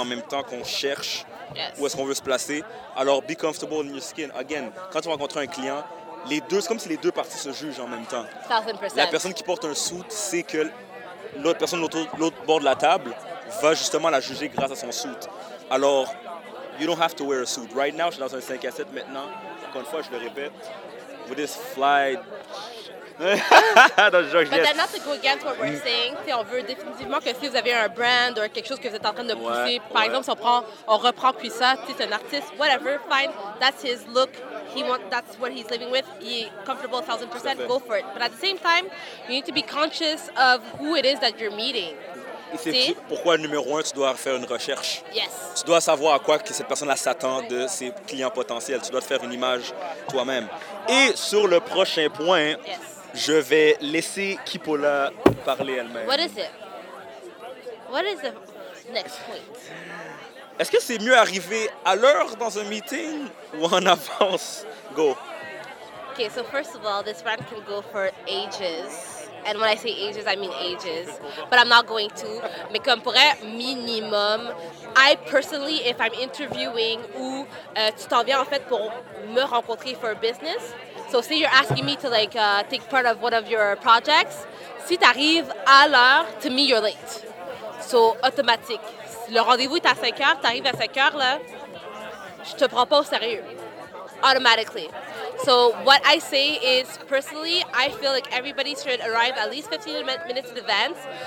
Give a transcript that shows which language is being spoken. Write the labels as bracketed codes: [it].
[fr] En même temps qu'on cherche [en] yes. [fr] Où est-ce qu'on veut se placer. Alors, [en] be comfortable in your skin. [fr] Again, quand tu rencontres un client, les deux, c'est comme si les deux parties se jugent en même temps. 1000%. La personne qui porte un suit sait que l'autre personne de l'autre bord de la table va justement la juger grâce à son suit. [en] Alors, you don't have to wear a suit. Right now, [fr] je suis dans un 5 à 7 maintenant. Encore une fois, je le répète. [en] With this fly... But that's not to go against what we're saying. [fr] T'sais, on veut définitivement que si vous avez un brand ou quelque chose que vous êtes en train de pousser, ouais, par ouais. exemple, si on reprend Kuisa, c'est un artiste, [en] whatever, fine, that's his look. that's what he's living with, he comfortable 1,000%, go for it. But at the same time, you need to be conscious of who it is that you're meeting. [fr] Et c'est pourquoi, numéro un, tu dois faire une recherche. [en] Yes. [fr] Tu dois savoir à quoi que cette personne-là s'attend de ses clients potentiels. Tu dois te faire une image toi-même. Et sur le prochain point, je vais laisser Kipola parler elle-même. [en] What is it? What is the next point? [fr] Est-ce que c'est mieux arriver à l'heure dans un meeting ou en avance? [en] Go. Okay, so first of all, this rant can go for ages. And when I say ages, I mean ages. But I'm not going to. [fr] Mais comme pour un minimum, [en] I personally, if I'm interviewing [fr] ou tu t'en viens en fait pour me rencontrer [en] for business. So say you're asking me to like take part of one of your projects. [fr] Si t'arrives à l'heure, [en] to me you're late. So automatic. [fr] Le rendez-vous est à 5h, t'arrives à 5h là, je te prends pas au sérieux. [en] Automatically. So what I say is, personally, I feel like everybody should arrive at least 15 minutes in advance.